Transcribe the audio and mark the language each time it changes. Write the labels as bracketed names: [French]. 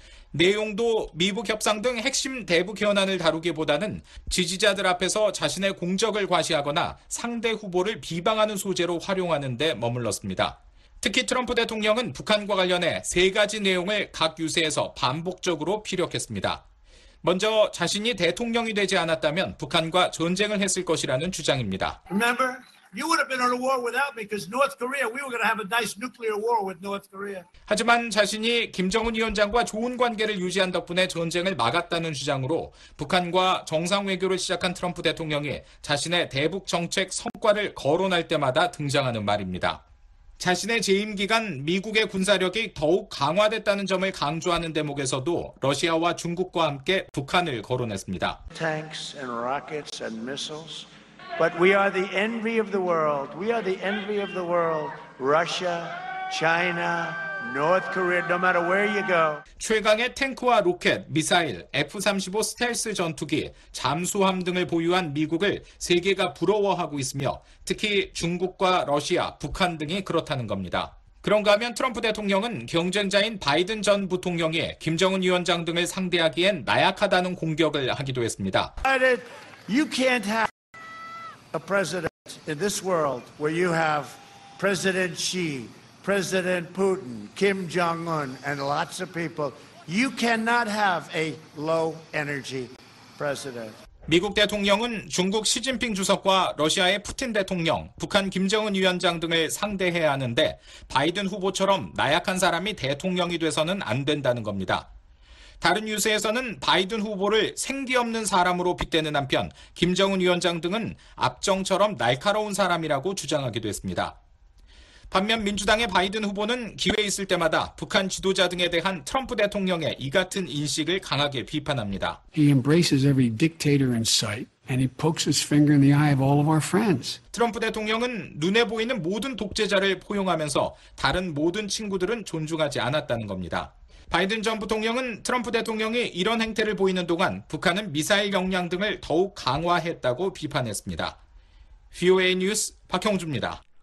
[Korean] 내용도 미북 협상 등 핵심 대북 현안을 다루기보다는 지지자들 앞에서 자신의 공적을 과시하거나 상대 후보를 비방하는 소재로 활용하는 데 머물렀습니다. 특히 트럼프 대통령은 북한과 관련해 세 가지 내용을 각 유세에서 반복적으로 피력했습니다. 먼저 자신이 대통령이 되지 않았다면 북한과 전쟁을 했을 것이라는 주장입니다. [English] Remember, you would have been in a war without me because North Korea, we were going to have a nice nuclear war with North Korea. [Korean] 하지만 자신이 김정은 위원장과 좋은 관계를 유지한 덕분에 전쟁을 막았다는 주장으로 북한과 정상 외교를 시작한 트럼프 대통령이 자신의 대북 정책 성과를 거론할 때마다 등장하는 말입니다. 자신의 재임 기간 미국의 군사력이 더욱 강화됐다는 점을 강조하는 대목에서도 러시아와 중국과 함께 북한을 거론했습니다. [English] Tanks and rockets and missiles. But we are the envy of the world. We are the envy of the world. Russia, China, North Korea, no matter where you go. [Korean] 최강의 탱크와 로켓, 미사일, F-35 스텔스 전투기, 잠수함 등을 보유한 미국을 세계가 부러워하고 있으며 특히 중국과 러시아, 북한 등이 그렇다는 겁니다. 그런가 하면 트럼프 대통령은 경쟁자인 바이든 전 부통령이 김정은 위원장 등을 상대하기엔 나약하다는 공격을 하기도 했습니다. [English] Biden, you can't have a president in this world where you have President Xi, President Putin, Kim Jong-un, and lots of people. You cannot have a low-energy president. [Korean] 미국 대통령은 중국 시진핑 주석과 러시아의 푸틴 대통령, 북한 김정은 위원장 등을 상대해야 하는데 바이든 후보처럼 나약한 사람이 대통령이 돼서는 안 된다는 겁니다. 다른 유세에서는 바이든 후보를 생기 없는 사람으로 빗대는 한편 김정은 위원장 등은 압정처럼 날카로운 사람이라고 주장하기도 했습니다. 반면 민주당의 바이든 후보는 기회 있을 때마다 북한 지도자 등에 대한 트럼프 대통령의 이 같은 인식을 강하게 비판합니다. [English] He embraces every dictator in sight and he pokes his finger in the eye of all of our friends. [Korean] 트럼프 대통령은 눈에 보이는 모든 독재자를 포용하면서 다른 모든 친구들은 존중하지 않았다는 겁니다. 바이든 전 부통령은 트럼프 대통령이 이런 행태를 보이는 동안 북한은 미사일 역량 등을 더욱 강화했다고 비판했습니다. VOA 뉴스 박형주입니다.